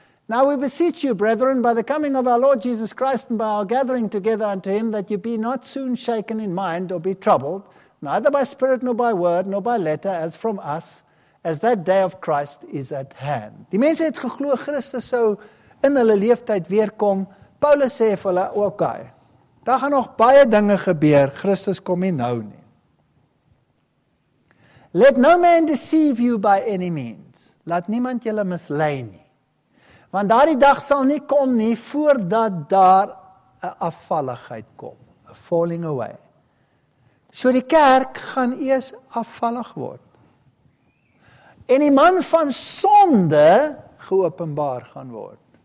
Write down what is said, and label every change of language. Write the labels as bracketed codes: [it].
[en] Now we beseech you, brethren, by the coming of our Lord Jesus Christ and by our gathering together unto him, that you be not soon shaken in mind or be troubled, neither by spirit nor by word nor by letter as from us, as that day of Christ is at hand. [af] Die mense het geglo Christus sou in hulle leeftyd weerkom. Paulus sê vir hulle, okay, daar gaan nog baie dinge gebeur, Christus kom nie nou nie. [en] Let no man deceive you by any means. [af] Laat niemand julle mislei nie. Want daardie dag sal nie kom nie, voordat daar 'n afvalligheid kom. [en] A falling away. [af] So die kerk gaan eers afvallig word. En die man van sonde geopenbaar gaan word.